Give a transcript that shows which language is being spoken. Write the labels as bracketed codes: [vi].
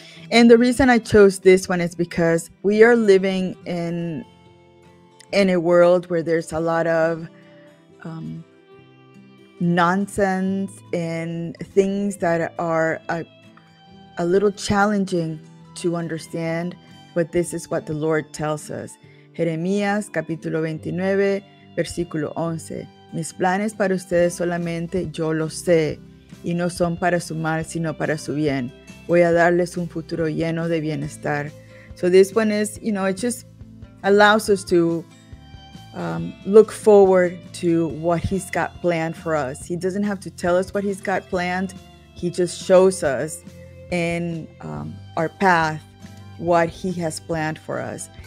[en] And the reason I chose this one is because we are living in a world where there's a lot of nonsense and things that are a little challenging to understand, but this is what the Lord tells us. [es] Jeremías, capítulo 29, versículo 11. Mis planes para ustedes solamente yo los sé, y no son para su mal, sino para su bien. Voy a darles un futuro lleno de bienestar. [en] So this one is, you know, it just allows us to look forward to what he's got planned for us. He doesn't have to tell us what he's got planned. He just shows us in our path what he has planned for us.